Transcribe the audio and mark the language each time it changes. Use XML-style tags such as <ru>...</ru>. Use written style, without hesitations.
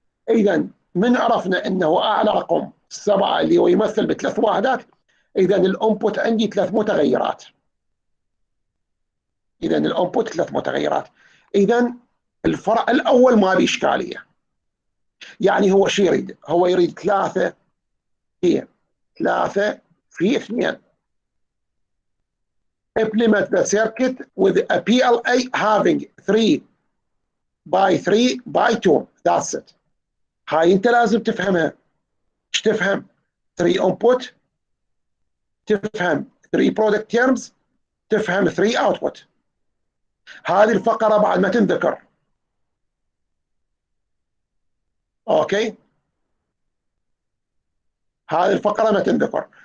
<ar>اذا من عرفنا انه اعلى رقم السبعه اللي هو يمثل بثلاث وحدات، اذا الانبوت عندي ثلاث متغيرات. اذا الانبوت ثلاث متغيرات، اذا الفرع الاول ما بيشكاليه. يعني هو شو يريد؟ هو يريد ثلاثه في ثلاثه في اثنين.</ar> <en>Implement the circuit with a PLA having 3 by 3 by 2. That's it.</en> <ar>هاي انت لازم تفهمها. ايش تفهم؟ 3 input، تفهم 3 product terms، تفهم 3 output. هذه الفقرة بعد ما تنذكر. اوكي؟ هذه الفقرة ما تنذكر.</ar>